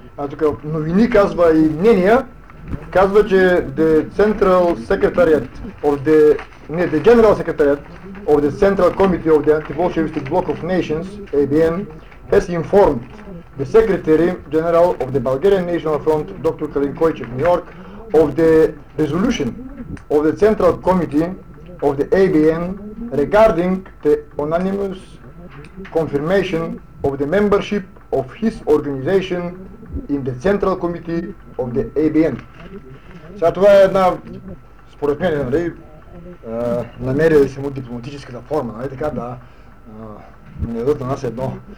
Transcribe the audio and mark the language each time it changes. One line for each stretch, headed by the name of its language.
Bulgarian: тук новини казва и мнения, казва, че
English: the Central Secretariat of the The General Secretariat of the Central Committee of the Anti-Bolshevist Bloc of Nations, ABN, has informed the Secretary General of the Bulgarian National Front, Dr. Kalin Koichev, New York, of the resolution of the Central Committee of the ABN regarding the unanimous confirmation of the membership of his organization in the Central Committee of the ABN.
Bulgarian: Сега това е една, според мен, нали? Намеря ли се му дипломатическата форма, нали така, да не дадат на нас едно